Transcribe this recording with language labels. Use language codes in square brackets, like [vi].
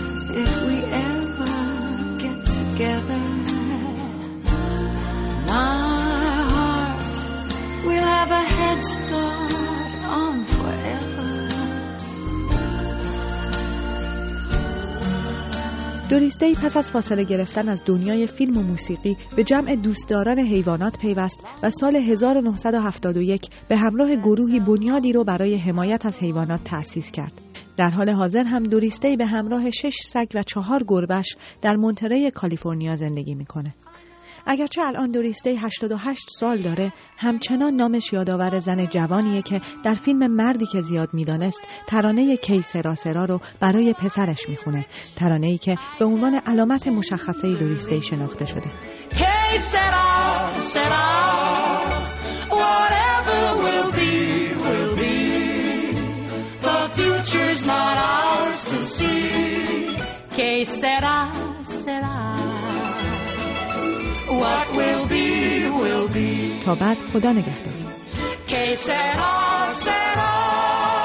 [en] If we ever get together, my heart will have a head start on forever. [fa] دوریس دی پس از فاصله گرفتن از دنیای فیلم و موسیقی به جمع دوستداران حیوانات پیوست و سال 1971 به همراه گروهی بنیادی رو برای حمایت از حیوانات تأسیس کرد. در حال حاضر هم دوریس دی به همراه 6 سگ و 4 گربه‌اش در مونتری کالیفرنیا زندگی میکنه. اگرچه الان دوریس دی 88 سال داره، همچنان نامش یادآور زن جوانیه که در فیلم مردی که زیاد میدانست ترانه کی سرا سرا رو برای پسرش میخونه، ترانه‌ای که به عنوان علامت مشخصه دوریس دی شناخته شده. [en] کی سرا سرا whatever will be will be the future is not ours to see کی سرا سرا what will be will be [fa] تا بعد خدا نگهدار. [en] کی سرا سرا